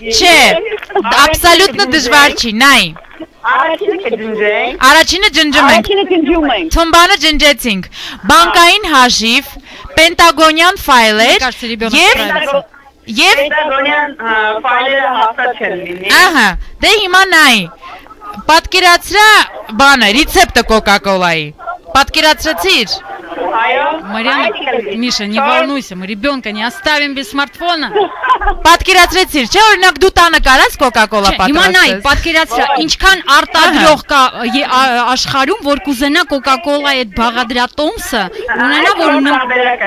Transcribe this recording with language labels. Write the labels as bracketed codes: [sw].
[hy] Չէ, абсолютно դժվար չի, նայ։ Առաջինը ջնջում ենք։ Թմբանը ջնջեցինք։ Բանկային հաշիվ, Պենտագոնյան ֆայլեր եւ Պենտագոնյան ֆայլերը հաստատ չեն լինի։ Ահա, դե հիմա նայ։ Պատկերացրա բանը, ռեցեպտը Coca-Cola-ի։ Պատկերացրեցիր։ Այո։ [ru] Մարիան, Միշա, не волнуйся, мы ребёнка не оставим без смартфона։ [hy] Պատկերացրեցիր, չէ՞ օրինակ դու տանը կարաս Coca-Cola պատրաստես։ Հիմա նայ, պատկերացրա, ինչքան արտադրող կա աշխարհում, որ կուզենա Coca-Cola-ի այդ բաղադրատոմսը ունենա, որ ունեմ։